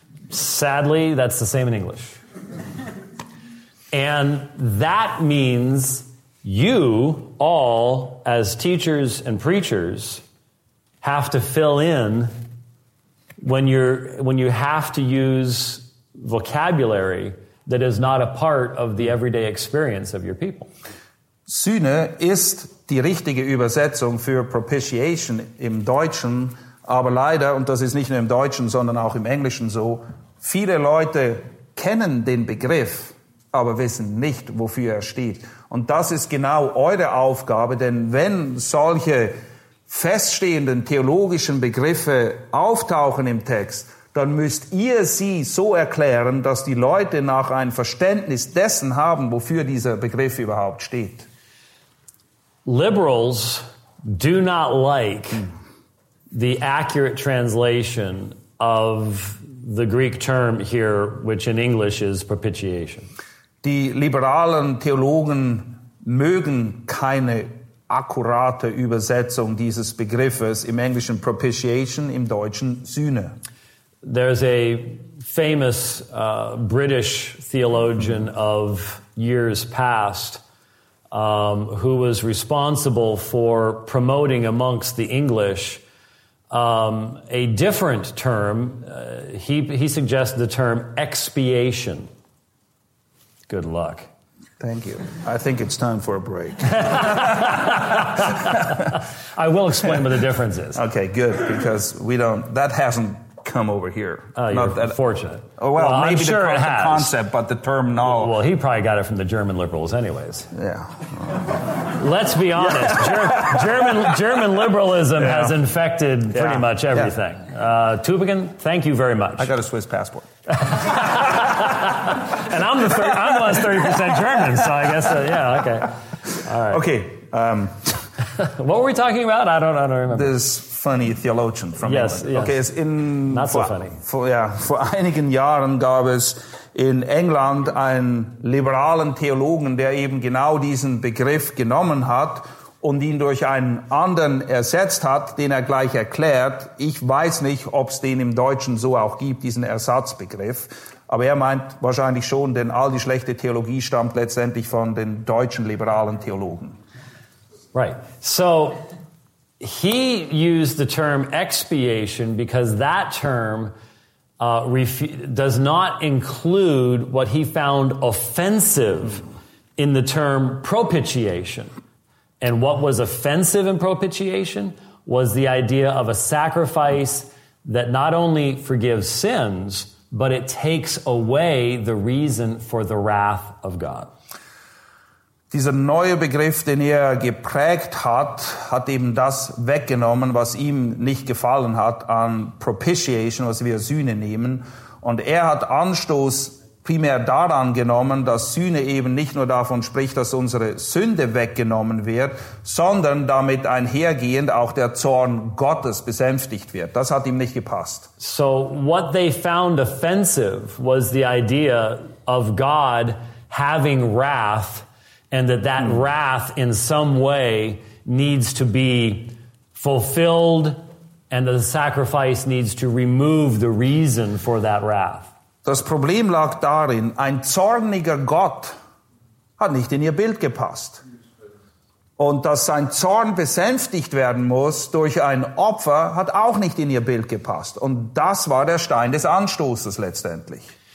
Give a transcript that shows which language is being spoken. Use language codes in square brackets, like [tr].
[en] Sadly, that's the same in English. And that means you all, as teachers and preachers, have to fill in when you have to use vocabulary that is not a part of the everyday experience of your people. [de] Sühne ist die richtige Übersetzung für propitiation im Deutschen, aber leider, und das ist nicht nur im Deutschen, sondern auch im Englischen so, viele Leute kennen den Begriff, aber wissen nicht, wofür er steht. Und das ist genau eure Aufgabe, denn wenn solche feststehenden theologischen Begriffe auftauchen im Text, dann müsst ihr sie so erklären, dass die Leute nach ein Verständnis dessen haben, wofür dieser Begriff überhaupt steht. [en] Liberals do not like the accurate translation of the Greek term here, which in English is propitiation. [de] Die liberalen Theologen mögen keine akkurate Übersetzung dieses Begriffes, im Englischen propitiation, im Deutschen Sühne. [en] There's a famous British theologian of years past who was responsible for promoting amongst the English a different term. He suggested the term expiation. Good luck. Thank you. I think it's time for a break. I will explain what the difference is. Okay, good, because we don't... That hasn't come over here. You're fortunate. Well, maybe it has. Concept, but the term null... Well, he probably got it from the German liberals anyways. Yeah. Let's be honest. German liberalism has infected pretty much everything. Yeah. Tübingen, thank you very much. I got a Swiss passport. And I'm the last 30% German, so I guess okay. All right. Okay. What were we talking about? I don't remember. This funny theologian from England. Okay, it's in not so funny. [de] Vor einigen Jahren gab es in England einen liberalen Theologen, der eben genau diesen Begriff genommen hat und ihn durch einen anderen ersetzt hat, den er gleich erklärt. Ich weiß nicht, ob es den im Deutschen so auch gibt, diesen Ersatzbegriff. Aber er meint wahrscheinlich schon, denn all die schlechte Theologie stammt letztendlich von den deutschen liberalen Theologen. [en] Right. So, he used the term expiation because that term does not include what he found offensive in the term propitiation. And what was offensive in propitiation was the idea of a sacrifice that not only forgives sins, but it takes away the reason for the wrath of God. [de] Dieser neue Begriff, den er geprägt hat, hat eben das weggenommen, was ihm nicht gefallen hat an propitiation, was wir Sühne nehmen. Und er hat Anstoß primär daran genommen, dass Sühne eben nicht nur davon spricht, dass unsere Sünde weggenommen wird, sondern damit einhergehend auch der Zorn Gottes besänftigt wird. Das hat ihm nicht gepasst. [en] So what they found offensive was the idea of God having wrath and that wrath in some way needs to be fulfilled and the sacrifice needs to remove the reason for that wrath. [de] Das Problem lag darin, ein zorniger Gott hat nicht in ihr Bild gepasst. Und dass sein Zorn besänftigt werden muss durch ein Opfer, hat auch nicht in ihr Bild gepasst. Und das war der Stein des Anstoßes letztendlich.